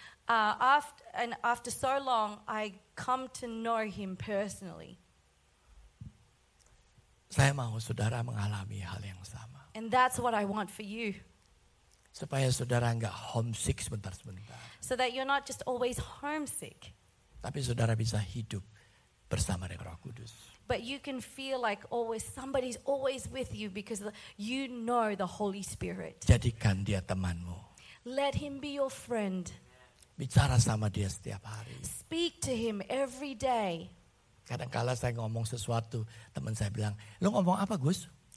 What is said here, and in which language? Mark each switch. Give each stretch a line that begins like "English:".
English: And after so long, I come to know him personally.
Indonesian: Saya mau saudara mengalami hal yang sama.
English: And that's what I want for you.
Indonesian: Supaya saudara enggak homesick sebentar-sebentar.
English: So that you're not just always homesick.
Indonesian: Tapi saudara bisa hidup bersama dengan Roh Kudus.
English: But you can feel like always somebody's always with you because you know the Holy Spirit.
Indonesian: Jadikan dia temanmu.
English: Let him be your friend.
Indonesian: Bicara sama dia setiap hari.
English: Speak to him every day.
Indonesian: Kadang-kadang saya ngomong sesuatu, teman saya bilang, lu ngomong apa Gus?